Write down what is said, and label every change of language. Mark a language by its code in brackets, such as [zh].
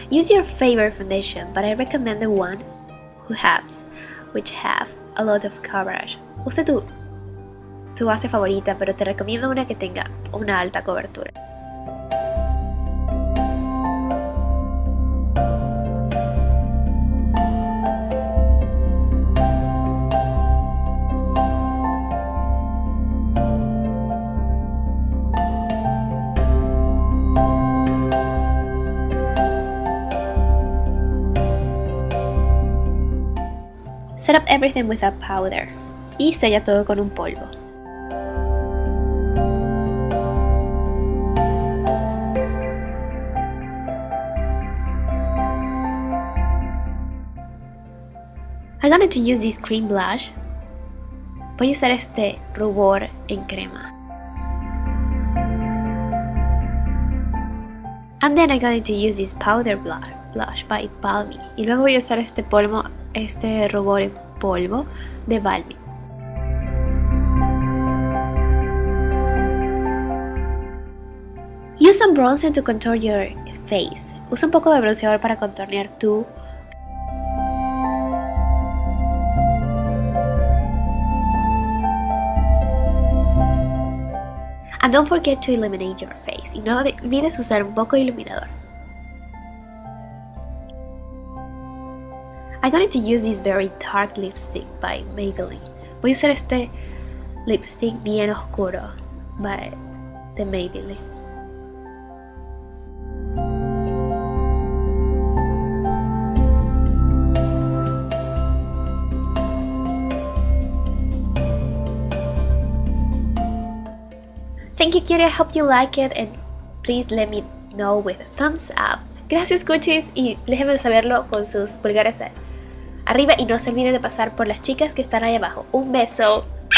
[en] your favorite foundation, but I recommend the one who has, which have a lot of coverage. [es] Use tu base favorita, pero te recomiendo una que tenga una alta cobertura. [en] Set up everything with a powder [es] y sella todo con un polvo. [en] I'm going to use this cream blush. [es] Voy a usar este rubor en crema. [en] And then I'm going to use this powder blush by Balmy. [es] Y luego voy a usar este polvo, este rubor en polvo de Balmy. [en] Use some bronzer to contour your face. [es] Usa un poco de bronceador para contornear tu. [en] And don't forget to illuminate your face. [es] Y no olvides usar un poco de iluminador. [en] I'm going to use this very dark lipstick by Maybelline. [es] Voy a usar este lipstick bien oscuro de Maybelline. [en] Thank you, Kira. I hope you like it. And please let me know with a thumbs up. [es] Gracias, Cuchis. Y déjenme saberlo con sus pulgares arriba. Y no se olviden de pasar por las chicas que están ahí abajo. Un beso.